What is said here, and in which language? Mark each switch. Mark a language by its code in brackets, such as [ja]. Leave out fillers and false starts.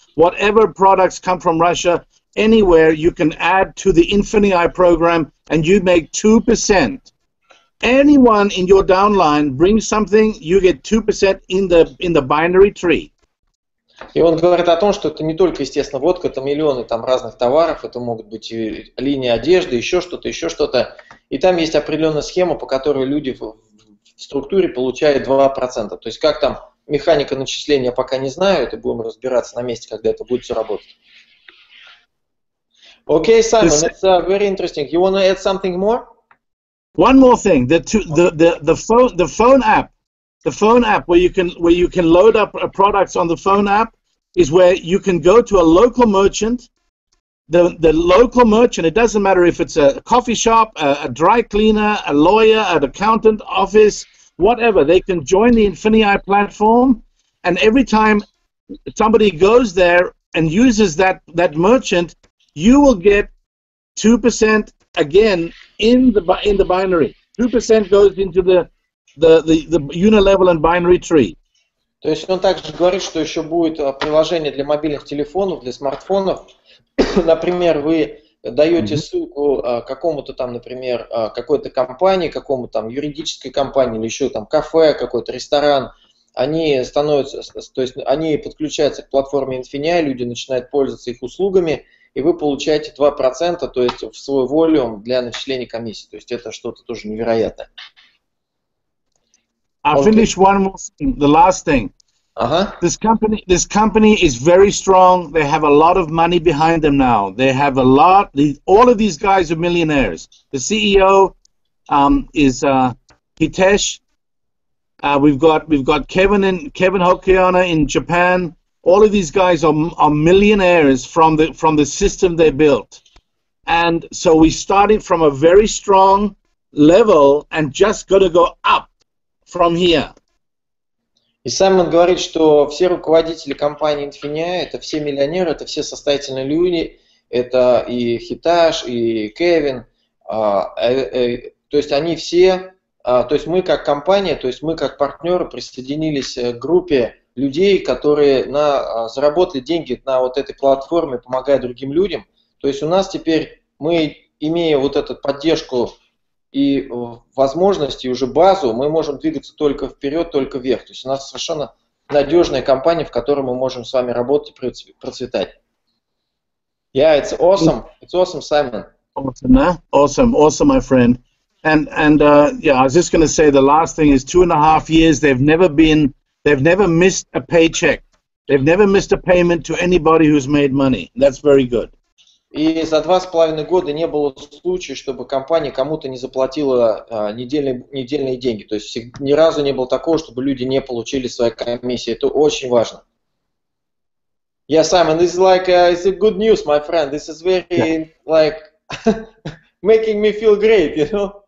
[en] Whatever products come from Russia, anywhere you can add to the Infinia program, and you make 2%. Anyone in your downline brings something, you get 2% in the binary tree. [ru] И он говорит о том, что это не только, естественно, водка, это миллионы там разных товаров, это могут быть и линии одежды, еще что-то. И там есть определенная схема, по которой люди в структуре получает 2%. То есть как там механика начисления, пока не знаю, это будем разбираться на месте, когда это будет все работать. [en] Окей, Саймон, it's very interesting. You want to add something more? One more thing. The phone app where you can load up products on the phone app is where you can go to a local merchant. The local merchant, it doesn't matter if it's a coffee shop, a dry cleaner, a lawyer, an accountant office, whatever, they can join the InfiniEye platform, and every time somebody goes there and uses that merchant, you will get 2% again in the binary. 2% goes into the unilevel and binary tree. [ru] То есть он также говорит, что еще будет приложение для мобильных телефонов, для смартфонов. Например, вы даете ссылку какому-то там, например, какой-то компании, какому-то там юридической компании или еще там кафе, какой-то ресторан. Они становятся, то есть они подключаются к платформе InfiniEye, люди начинают пользоваться их услугами, и вы получаете 2%, то есть в свой волюм для начисления комиссии. То есть это что-то тоже невероятное. [en] I'll finish one more thing, the last thing. Uh-huh. This company is very strong. They have a lot of money behind them now. They have a lot. All of these guys are millionaires. The CEO is Hitesh. We've got Kevin Hokiana in Japan. All of these guys are millionaires from the system they built. And so we started from a very strong level and just going to go up. From here. [ru] И Саймон говорит, что все руководители компании InfiniEye, это все миллионеры, это все состоятельные люди, это и Хитаж, и Кевин, то есть они все, то есть мы как компания, то есть мы как партнеры присоединились к группе людей, которые заработали деньги на вот этой платформе, помогая другим людям. То есть у нас теперь, мы имея вот эту поддержку, и возможности, и уже базу, мы можем двигаться только вперед, только вверх. То есть у нас совершенно надежная компания, в которой мы можем с вами работать и процветать. [en] Yeah, it's awesome. It's awesome, Simon. Awesome, huh? Awesome, awesome, my friend. And I was just going to say the last thing is 2.5 years they've never missed a paycheck. They've never missed a payment to anybody who's made money. That's very good. [ru] И за 2.5 года не было случая, чтобы компания кому-то не заплатила недельные деньги. То есть ни разу не было такого, чтобы люди не получили свои комиссии. Это очень важно. [en] Yeah, Simon, this is like it's a good news, my friend. This is very like making me feel great, you know?